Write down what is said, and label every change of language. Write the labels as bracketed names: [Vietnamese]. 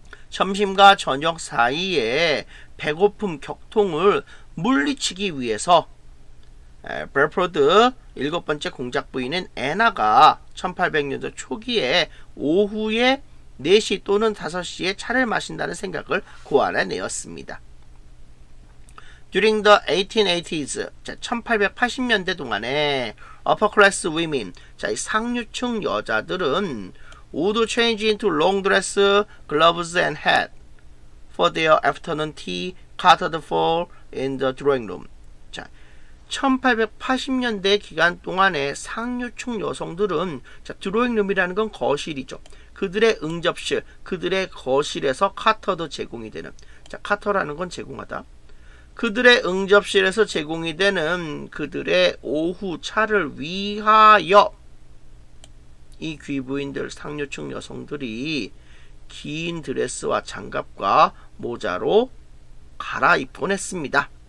[Korean] 점심과 저녁 사이에 배고픔 격통을 물리치기 위해서 베프로드 일곱 번째 공작 부인인 애나가 1800년도 초기에 오후에 4시 또는 5시에 차를 마신다는 생각을 고안해 내었습니다. [English] During the 1880s, [Korean] 자, 1880년대 동안에 [English] upper class women, [Korean] 자, 이 상류층 여자들은 [English] would change into long dress, gloves and hat for their afternoon tea catered for in the drawing room. [Korean] 자, 1880년대 기간 동안에 상류층 여성들은, 자, 드로잉룸이라는 건 거실이죠. 그들의 응접실, 그들의 거실에서 카터도 제공이 되는, 자, 카터라는 건 제공하다. 그들의 응접실에서 제공이 되는 그들의 오후 차를 위하여 이 귀부인들, 상류층 여성들이 긴 드레스와 장갑과 모자로 갈아입곤 했습니다.